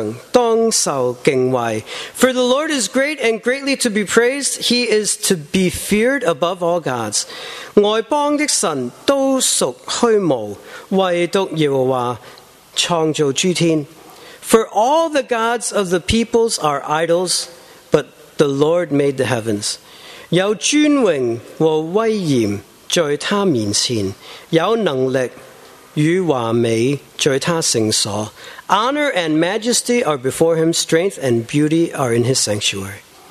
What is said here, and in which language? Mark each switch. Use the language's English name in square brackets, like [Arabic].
[English] For the Lord is great and greatly to be praised. He is to be feared above all gods. [Chinese] 外邦的神都属虚无，唯独耶和华创造诸天。 [English] For all the gods of the peoples are idols, but the Lord made the heavens. [Chinese] 有尊荣和威严在他面前，有能力。 [English] Honor and majesty are before him, strength and beauty are in his sanctuary.